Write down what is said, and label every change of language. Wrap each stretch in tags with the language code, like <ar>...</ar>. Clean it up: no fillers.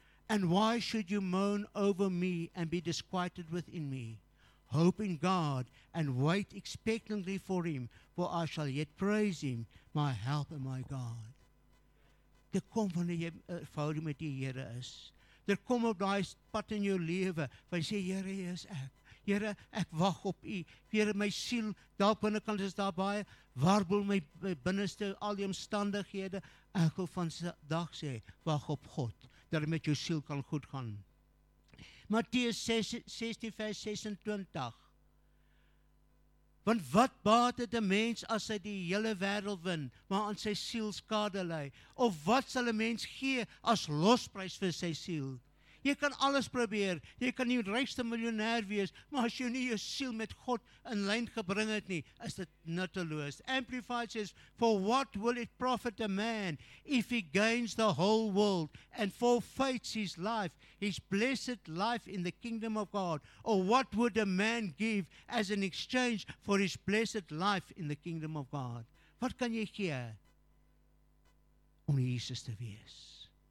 <en>And why should you moan over me and be disquieted within me? Hope in God and wait expectantly for him, for I shall yet praise him, my help and my God.</en> <af>Dit kom van die verhouding met die Here is. Dit kom op die pad in jou leven, van jy sê, Here, hier is ek. Here, ek wag op u. Here, my siel, daar binnenkant is daar baie, warbel my binnenste, al die omstandighede. Ek wil van dag sê, wag op God, dat met jou siel kan goed gaan. Matteus 16 vers 26. Want wat baat het een mens as hy die hele wereld win, maar aan sy siel skade ly? Of wat sal een mens gee as losprys vir sy siel? Jy kan alles probeer, jy kan die rykste miljonair wees, maar as jy nie jou siel met God in lyn gebring het nie, is dit nutteloos.</af> <en>Amplified says, for what will it profit a man if he gains the whole world and forfeits his life, his blessed life in the kingdom of God? Or what would a man give as an exchange for his blessed life in the kingdom of God?</en> <af>Wat kan jy gee om Jesus te wees?</af>